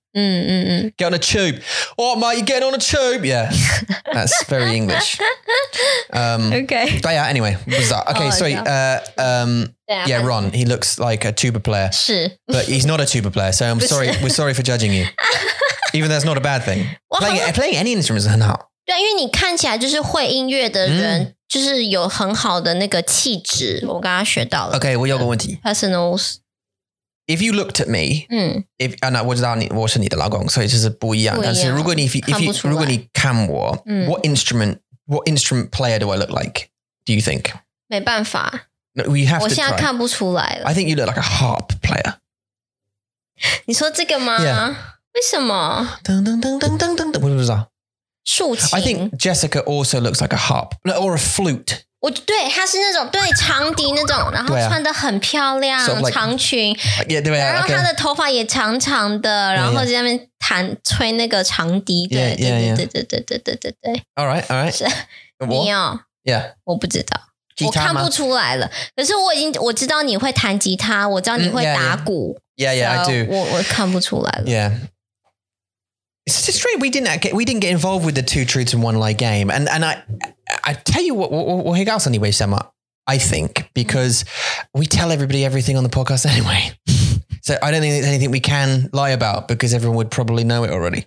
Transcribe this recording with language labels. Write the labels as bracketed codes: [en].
[en] Get on a tube. Oh, mate, you're getting on a tube. Yeah, that's very English. Okay. But yeah, anyway, bizarre. Okay, yeah, Ron, he looks like a tuba player. But he's not a tuba player, so I'm sorry. We're sorry for judging you. Even though that's not a bad thing. Playing any instrument is 很好。 [zh] 对，因为你看起来就是会音乐的人，就是有很好的那个气质。我刚刚学到了。 Okay, 我有个问题。 [en] Personals. If you looked at me, if and I know, [zh] 我知道你我是你的老公，所以就是不一样。但是如果你 如果你看我 [en] what instrument player do I look like? Do you think? [zh] 没办法。 [en] No, we have [zh] 我现在看不出来了。 [en] I think you look like a harp player. [zh] 你说这个吗？ [en] Yeah. [zh] 为什么？噔噔噔噔噔噔噔，我不知道。竖琴。 [en] I think Jessica also looks like a harp, or a flute. [zh] 我对，她是那种对长笛那种，然后穿得很漂亮， [en] sort of like, [zh] 长裙。 [en] Yeah, 对吧？ [zh] 然后她的头发也长长的， [en] okay. [zh] 然后在那边弹吹那个长笛。 [en] Yeah, yeah, yeah. [zh] 对对对对对对对。 [en] All right, all right. [zh] 你哦。 [en] Yeah. [zh] 我不知道。吉他吗？我看不出来了。可是我已经我知道你会弹吉他，我知道你会打鼓。 [en] Yeah, I do. [zh] 我看不出来了。 [en] Yeah. It's just strange. We didn't get involved with the two truths and one lie game. And I tell you what, [zh] 我会告诉你为什么。 [en] I think because we tell everybody everything on the podcast anyway. So I don't think there's anything we can lie about because everyone would probably know it already.